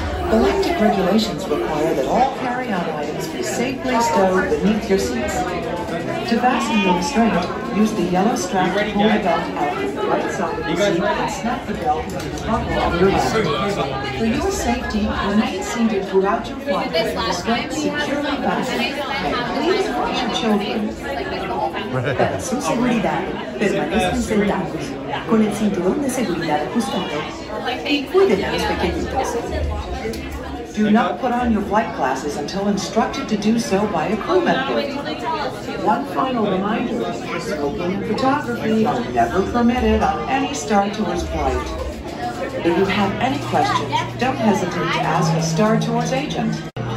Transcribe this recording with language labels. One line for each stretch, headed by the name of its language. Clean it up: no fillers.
English: Galactic regulations require that all carry-on items be safely stowed beneath your seats. To fasten the restraint, use the yellow strap to pull the belt out of the right side of the seat and snap the belt to the buckle of your belt. For your safety, remain seated throughout your flight with the restraint securely fastened. And please watch your children.
Spanish: Su seguridad, permanezcan sentados, con el cinturón de seguridad ajustado, y cuiden a los pequeñitos.
English: Do not put on your flight glasses until instructed to do so by a crew member. One final reminder, smoking and photography are never permitted on any Star Tours flight. If you have any questions, don't hesitate to ask a Star Tours agent.